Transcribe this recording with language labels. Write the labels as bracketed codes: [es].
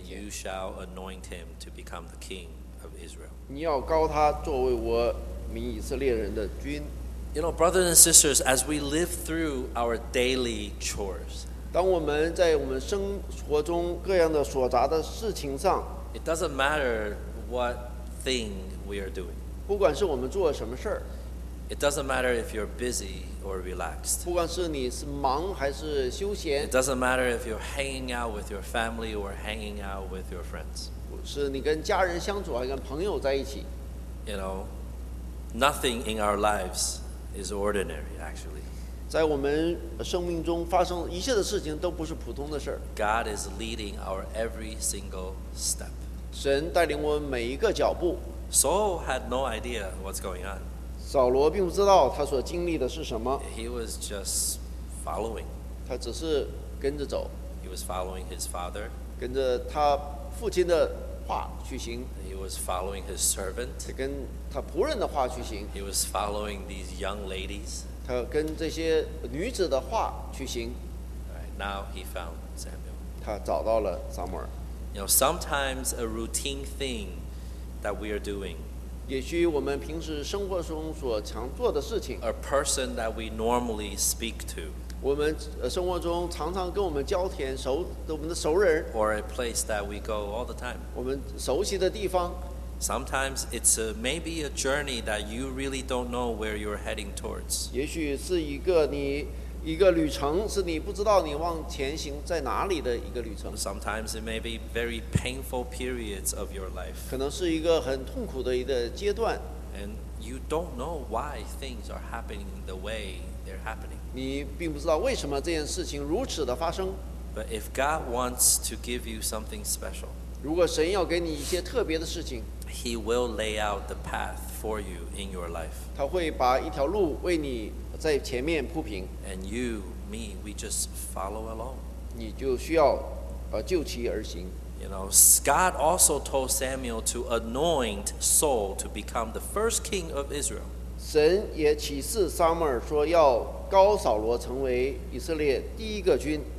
[en] And you shall anoint him to become the king. Israel. [zh] 你要高他作为我民以色列人的君。 [en] You know, brothers and sisters, as we live through our daily chores, [zh] 当我们在我们生活中各样的所杂的事情上， [en] it doesn't matter what thing we are doing. [zh] 不管是我们做什么事， [en] it doesn't matter if you're busy or relaxed. [zh] 不管是你是忙还是休闲， [en] it doesn't matter if you're hanging out with your family or hanging out with your friends. [zh] 是你跟家人相处，还跟朋友在一起。 [en] You know, nothing in our lives is ordinary, actually. [zh] 在我们生命中发生一切的事情都不是普通的事。 [en] God is leading our every single step. [zh] 神带领我们每一个脚步。 [en] Saul had no idea what's going on. [zh] 扫罗并不知道他所经历的是什么。 [en] He was just following. [zh] 他只是跟着走。 [en] He was following his father. [zh] 跟着他父亲的话去行。 [en] He was following his servant. [zh] 他跟他仆人的话去行。 [en] He was following these young ladies. [zh] 他跟这些女子的话去行。 [en] Right, now he found Samuel. [zh] 他找到了撒母耳。 [en] You know, sometimes a routine thing that we are doing. [zh] 也许我们平时生活中所常做的事情。 [en] A person that we normally speak to. [zh] 我们生活中常常跟我们交谈熟我们的熟人 [en] or a place that we go all the time [zh] 我们熟悉的地方 [en] sometimes it's a, maybe a journey that you really don't know where you're heading towards [zh] 也许是一个你一个旅程是你不知道你往前行在哪里的一个旅程 [en] sometimes it may be very painful periods of your life [zh] 可能是一个很痛苦的一个阶段 [en] and you don't know why things are happening the way they're happening [zh] 你并不知道为什么这件事情如此的发生。 [en] But if God wants to give you something special, [zh] 如果神要给你一些特别的事情， [en] He will lay out the path for you in your life. [zh] 他会把一条路为你在前面铺平。 [en] And you, me, we just follow along. [zh] 你就需要就其而行。 [en] You know, God also told Samuel to anoint Saul to become the first king of Israel. [zh] 神也启示撒母耳说要高扫罗成为以色列第一个君。